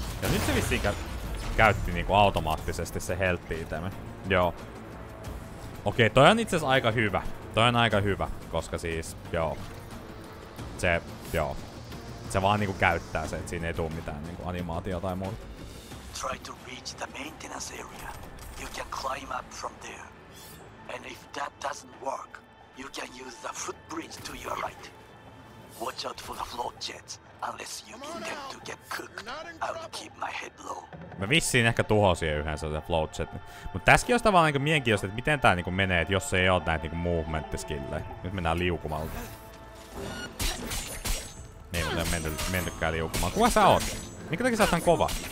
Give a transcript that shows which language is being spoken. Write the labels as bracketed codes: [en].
[fi] Ja nyt se vissiin käytti niinku automaattisesti se health-itemi. Joo. Okei, toi on itseasiassa aika hyvä. Toi on aika hyvä, koska siis... Joo. Se... Joo. Se vaan niinku käyttää se, et siinä ei tuu mitään niinku animaatio tai muuta. [en] Try to reach the maintenance area. You can climb up from there. And if that doesn't work, you can use the footbridge to your right. Watch out for the float jets, unless you need them to get cooked. I'll keep my head low. [fi] Mä vissiin ehkä tuhosin yhden sellaisen float jet. Mut tässäkin olisi tavallaan niinku mielenkiintoista, että miten tää niinku menee, jos se ei oo näitä niinku movement skillejä. Nyt mennään liukumalta. Niin, mutta ei oo mennytkään liukumaan. Kuka sä oot? Minkä takia sä oot tän kova?